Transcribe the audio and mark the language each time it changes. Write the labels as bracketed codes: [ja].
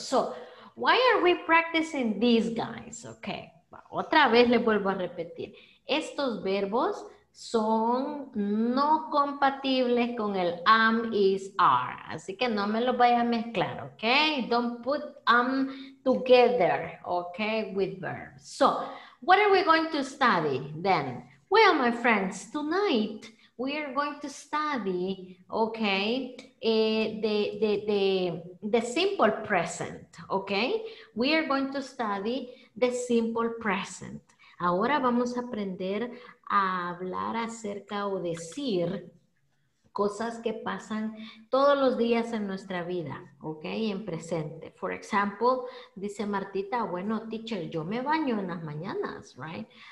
[en] So, why are we practicing these guys? Okay. [es] Otra vez le vuelvo a repetir. Estos verbos son no compatibles con el am, is, are. Así que no me los vaya a mezclar, okay? [en] Don't put am together, okay, with verbs. So, what are we going to study then? Well, my friends, tonight we are going to study, okay, the simple present, okay? We are going to study the simple present. [es] Ahora vamos a aprender a hablar acerca o decir cosas que pasan todos los días en nuestra vida, okay, en presente. [en] For example, [es] dice Martita, bueno, teacher, yo me baño en las mañanas, right?